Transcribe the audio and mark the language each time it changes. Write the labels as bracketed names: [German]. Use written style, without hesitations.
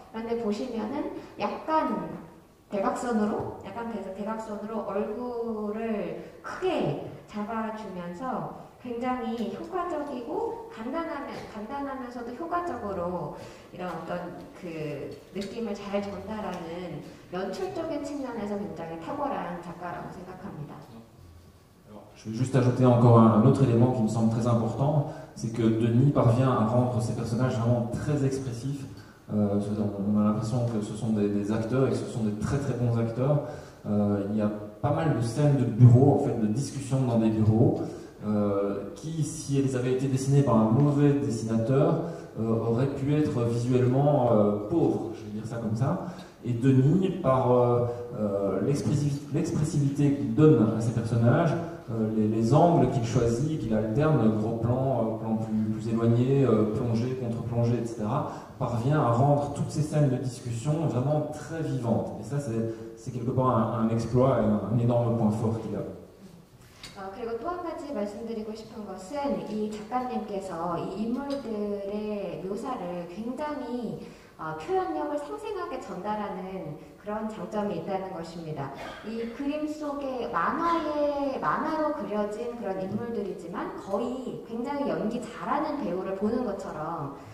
[Korean] 그런데 보시면은 약간 대각선으로 얼굴을 크게 잡아주면서 굉장히 효과적이고 간단하면서도 효과적으로 이런 어떤 그 느낌을 잘 전달하는 연출적인 측면에서 굉장히 탁월한 작가라고 생각합니다. [French] Je veux juste ajouter encore un autre élément qui me semble très important, c'est que Denis parvient à rendre ses personnages vraiment très expressifs. On a l'impression que ce sont des acteurs et que ce sont des très très bons acteurs. Il y a pas mal de scènes de bureaux, en fait, de discussions dans des bureaux, qui, si elles avaient été dessinées par un mauvais dessinateur, auraient pu être visuellement pauvres, je vais dire ça comme ça. Et Denis, par l'expressivité qu'il donne à ses personnages, les angles qu'il choisit, qu'il alterne, gros plans, plans plus éloignés, plongée, contre-plongée, etc., parvient à rendre toutes ces scènes de discussion vraiment très vivantes. Et ça, c'est quelque part un exploit et un énorme point fort qu'il a. [Korean] 그리고 또 한 가지 말씀드리고 싶은 것은 이 작가님께서 이 인물들의 묘사를 굉장히 표현력을 상생하게 전달하는 그런 장점이 있다는 것입니다. 이 그림 속에 만화로 그려진 그런 인물들이지만 거의 굉장히 연기 잘하는 배우를 보는 것처럼